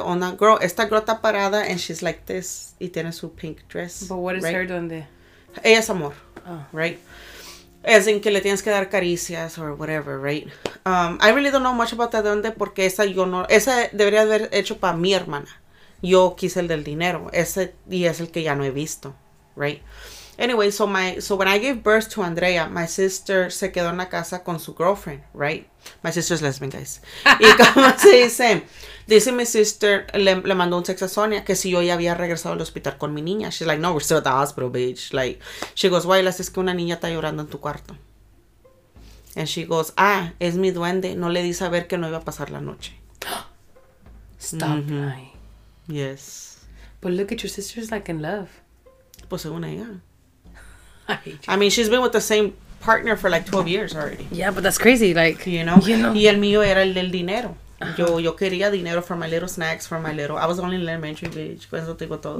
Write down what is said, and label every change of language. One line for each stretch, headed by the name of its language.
English: Oh, that girl,
Spanish: esta girl está parada
English: and she's like this,
Spanish: y tiene su
English: pink dress. But what is her duende?
Spanish: Ella es amor, right?
English: As in
Spanish: que le tienes que dar caricias
English: or whatever,
Spanish: right?
English: I really don't know much about that duende
Spanish: porque esa yo no... Esa debería haber hecho para mi hermana. Yo quise el del dinero. Ese y es el que ya no he visto,
English: right? Anyway, so when I gave birth to Andrea, my sister
Spanish: se quedó en la casa con su
English: girlfriend, right? My sister's lesbian, guys.
Spanish: Y como se dice, dice mi sister, le mandó un texto a Sonia que si yo ya había regresado al hospital con mi niña.
English: She's like, no, we're still at the hospital, bitch. Like, she goes, Wailas,
Spanish: es que una niña está llorando en tu cuarto.
English: And she goes,
Spanish: ah, es mi duende. No le di saber que no iba a pasar la noche.
English: Stop lying. Mm-hmm. Yes. But look at your sister's like in love.
Spanish: Pues según ella.
English: I mean, she's been with the same partner for like 12 years already. Yeah, but that's crazy. Like, you know?
Spanish: Y el mío era el del dinero. Yo quería dinero
English: for my little snacks, for my little... I was only in elementary, bitch.
Spanish: Con eso tengo todo.